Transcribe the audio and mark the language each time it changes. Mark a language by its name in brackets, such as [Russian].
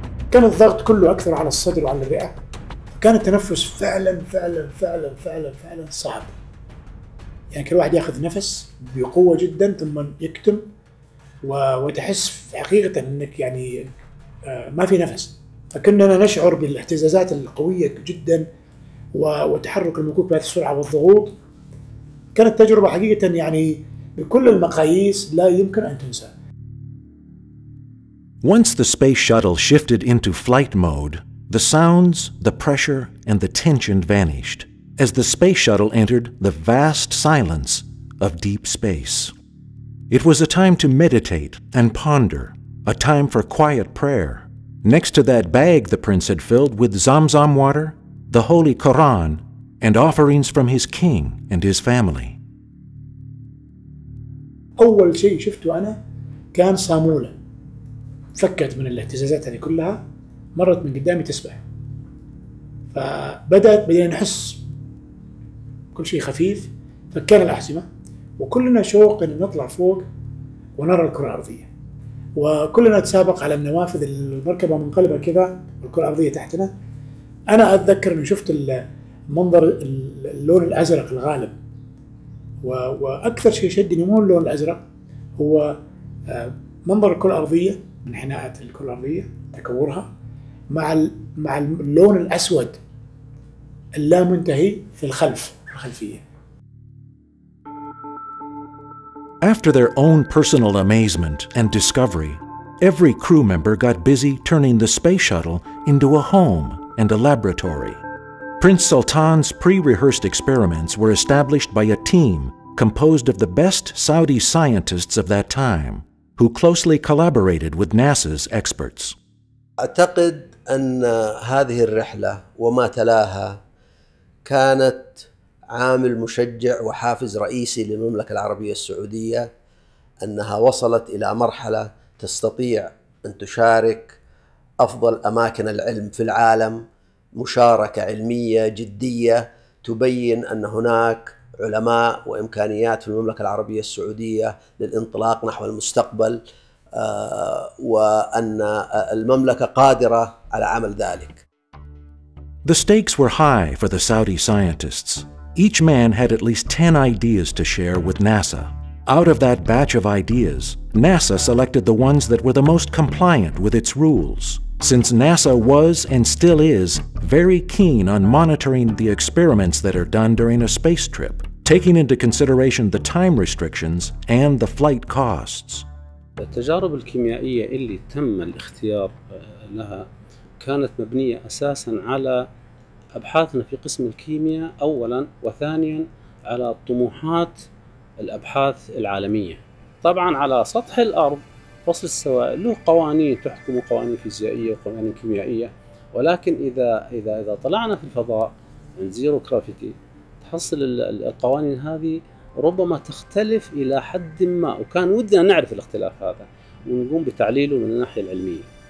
[Arabic] كان الضغط كله أكثر على الصدر وعلى الرئة، كان التنفس فعلا فعلا فعلا فعلا فعلا صعب، يعني كل واحد ياخذ نفس بقوه جدا ثم يكتم وتحس حقيقه انك يعني ما في نفس، فكنا نشعر بالاهتزازات القويه جدا وتحرك المكوك بهذه السرعه والضغوط. كانت تجربه حقيقه يعني بكل المقاييس لا يمكن ان تنسى. [English] Once the space shuttle shifted into flight mode, the sounds, the pressure, and the tension vanished as the space shuttle entered the vast silence of deep space. It was a time to meditate and ponder, a time for quiet prayer. Next to that bag the prince had filled with Zamzam water, the Holy Quran, and offerings from his king and his family. [Arabic] أول شيء شفته أنا كان سامولة فكت من الاهتزازات هذه كلها، مرت من قدامي تسبح، فبدأنا نحس كل شيء خفيف، فكان الأحزمة وكلنا شوق أن نطلع فوق ونرى الكرة الأرضية، وكلنا نتسابق على النوافذ، المركبة منقلبة كذا والكرة الأرضية تحتنا. أنا أتذكر أن شفت المنظر اللون الأزرق الغالب، وأكثر شيء شدني مو اللون الأزرق، هو منظر الكرة الأرضية من حناءة الكرة الأرضية تكورها مع اللون الأسود اللامنتهي في الخلف الخلفية. [English] After their own personal amazement and discovery, every crew member got busy turning the space shuttle into a home and a laboratory. Prince Sultan's pre-rehearsed experiments were established by a team composed of the best Saudi scientists of that time, who closely collaborated with NASA's experts. [Arabic] أعتقد أن هذه الرحلة وما تلاها كانت عامل مشجع وحافز رئيسي للمملكة العربية السعودية أنها وصلت إلى مرحلة تستطيع أن تشارك أفضل أماكن العلم في العالم مشاركة علمية جدية تبين أن هناك علماء وإمكانيات في المملكة العربية السعودية للانطلاق نحو المستقبل وأن المملكة قادرة على عمل ذلك. [English] The stakes were high for the Saudi scientists. Each man had at least 10 ideas to share with NASA. Out of that batch of ideas, NASA selected the ones that were the most compliant with its rules, since NASA was and still is very keen on monitoring the experiments that are done during a space trip, taking into consideration the time restrictions and the flight costs. [Arabic] التجارب الكيميائية اللي تم الاختيار لها كانت مبنية أساسا على أبحاثنا في قسم الكيمياء أولا وثانيا على طموحات الأبحاث العالمية. طبعا على سطح الأرض فصل السوائل له قوانين تحكمه قوانين فيزيائية وقوانين كيميائية، ولكن إذا طلعنا في الفضاء عند زيرو جرافيتي تحصل القوانين هذه ربما تختلف إلى حد ما، وكان ودنا نعرف الاختلاف هذا ونقوم بتعليله من الناحية العلمية.